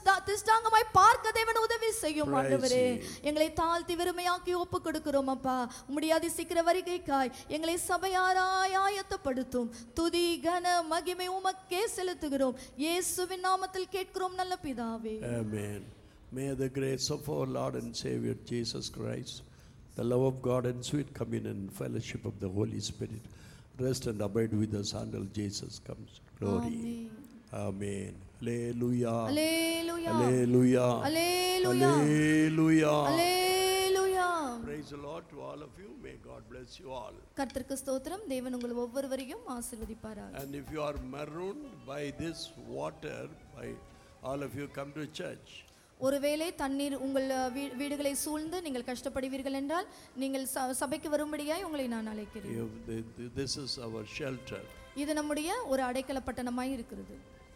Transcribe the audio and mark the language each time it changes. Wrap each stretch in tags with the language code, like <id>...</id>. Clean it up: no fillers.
<ta>திஷ்டாங்கமாய் பார்க்க தேவன் உதவி செய்யும் ஆண்டவரே எங்களை தாழ்த்தி வெறுமையாக்கி ஒப்பு கொடுக்கிறோம் அப்பா முடியாது சீக்கிர வருகைக்காய் எங்களை சபையாராய் ஆயத்தப்படுத்தும் துதி கன மகிமை உமக்கே செலுத்துகிறோம் இயேசுவின் நாமத்தில் கேட்கிறோம் நல்ல பிதாவே</ta> <en>ஆமென் May the grace of our Lord and Savior Jesus Christ the love of God and sweet communion fellowship of the Holy Spirit rest and abide with us until Jesus comes glory Amen. Hallelujah. Hallelujah. Hallelujah. Hallelujah. Hallelujah. Hallelujah. Praise the Lord to all of you. May God bless you all.</en> <ta>கர்த்தருக்கு ஸ்தோத்திரம் தேவன் உங்கள் ஒவ்வொருவரையும் ஆசீர்வதிப்பாராக.</ta> <en>And if you are marooned by this water by all of you come to church.</en> <ta>ஒருவேளை தண்ணீர் உங்கள் வீடுகளை சூழ்ந்து நீங்கள் கஷ்டப்படுவீர்கள் என்றால் நீங்கள் சபைக்கு வரும்படியாய் உங்களை நான் அழைக்கிறேன்.</ta> <en>This is our shelter.</en> <ta>இது நம்முடைய ஒரு அடைக்கல பட்டணமாய் இருக்கிறது.</ta>